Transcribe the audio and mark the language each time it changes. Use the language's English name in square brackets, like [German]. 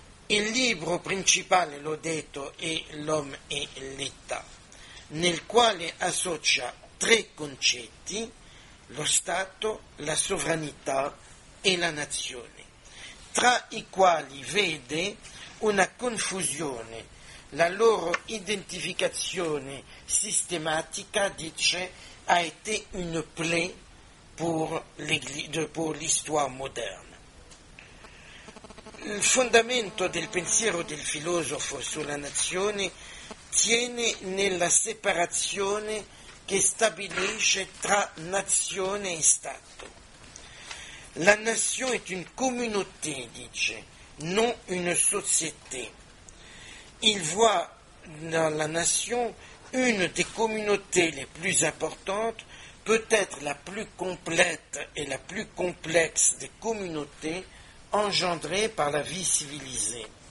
[Italian] Il libro principale, l'ho detto, è L'Homme et l'État, nel quale associa tre concetti, lo Stato, la sovranità e la nazione, tra i quali vede una confusione. La loro identificazione sistematica, dice, [French] a été une plaie pour l'histoire moderne. [Italian] Il fondamento del pensiero del filosofo sulla nazione tiene nella separazione che stabilisce tra nazione e Stato. [French] La nation est une communauté, [Italian] dice, [French] non une société. Il voit dans la nation une des communautés les plus importantes, peut-être la plus complète et la plus complexe des communautés engendrées par la vie civilisée.